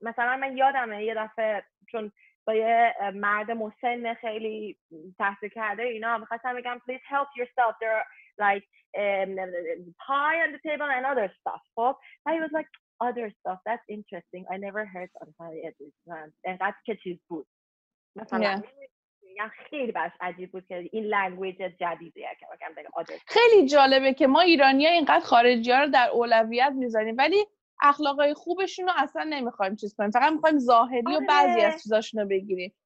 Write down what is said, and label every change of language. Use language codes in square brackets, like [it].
[fa] مثلا من یادمه یه دفعه چون با یه مرد مسن خیلی تحصیل کرده اینا میخواستم بگم [en] please help yourself, there are like pie on the table and other stuff. خب he was like other stuff, that's interesting, I never heard of that. [fa] انقدر که چیز بود مثلا خیلی باش عجیب بود که این لنگویج جدیدیه که بگم بگم other. خیلی جالبه که ما ایرانی ها اینقدر خارجی ها رو در اولویت میذاریم ولی اخلاقای خوبشون رو اصلا نمیخوایم چیز کنیم، فقط میخوایم ظاهری و بعضی از چیزاشون رو بگیریم.